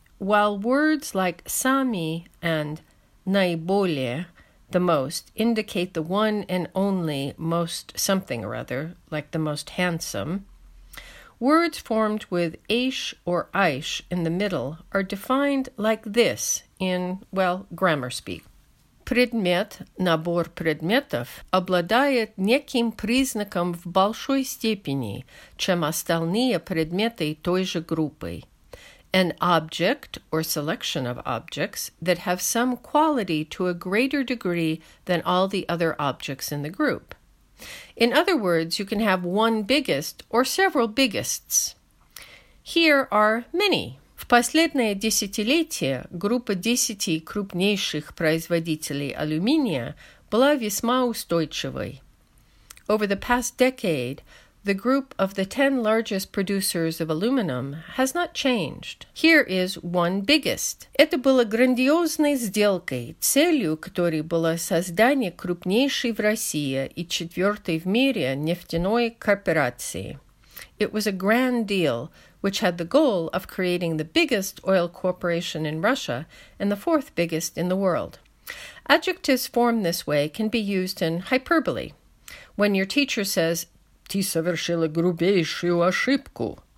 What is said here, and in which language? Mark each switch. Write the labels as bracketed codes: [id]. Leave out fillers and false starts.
[en] While words like самый and наиболее, the most, indicate the one and only most something or other, like the most handsome, words formed with aish or aish in the middle are defined like this in, well, grammar speak. [ru] Предмет, набор предметов, обладает неким признаком в большой степени, чем остальные предметы той же группы. [en] An object or selection of objects that have some quality to a greater degree than all the other objects in the group. In other words, you can have one biggest or several biggests. Here are many. [ru] В последнее десятилетие группа 10 крупнейших производителей алюминия была весьма устойчивой. [en] Over the past decade, the group of the 10 largest producers of aluminum has not changed. Here is one biggest. [ru] Это было грандиозной сделкой, целью которой было создание крупнейшей в России и четвертой в мире нефтяной корпорации. [en] It was a grand deal, which had the goal of creating the biggest oil corporation in Russia and the fourth biggest in the world. Adjectives formed this way can be used in hyperbole. When your teacher says, [ru] Ты совершила грубейшую ошибку.